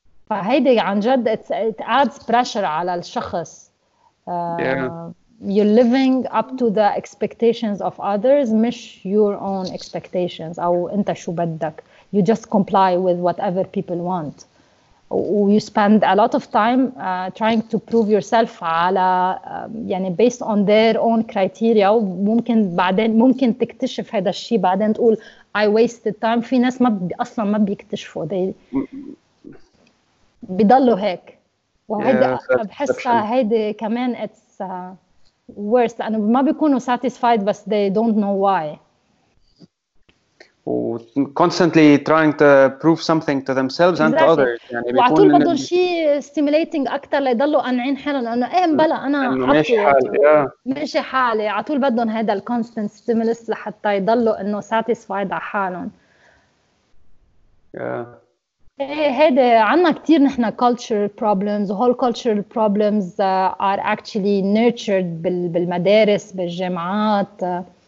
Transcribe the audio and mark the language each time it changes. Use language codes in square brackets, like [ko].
[ar] فهيدي عن جد [en] it adds pressure [ar] على الشخص. [en] You're living up to the expectations of others, مش your own expectations. [ar] أو أنت شو بدك. [en] You just comply with whatever people want. You spend a lot of time trying to prove yourself على يعني based on their own criteria. [ar] ممكن بعدين ممكن تكتشف هذا الشيء بعدين تقول [en] I wasted time. [ar] في ناس ما أصلا ما بيكتشفوا. They بيضلوا هيك. وهيدي بحسها هيدي كمان [en] it's worse [ar] لأنه ما بيكونوا satisfied بس [en] they don't know why. Constantly trying to prove something to themselves and to others. [ar] يعني وعطول بدو شيء stimulating أكتر ليضلوا قانعين حالاً لأنه إيه مبلا أنا ماشي حالي. عطول بدهم هيدا constant stimulus لحتى يضلوا أنه satisfied على حالهم. هيدا عنا كتير نحنا [en] cultural problems. whole cultural problems are actually nurtured [ar] بالمدارس بالجامعات.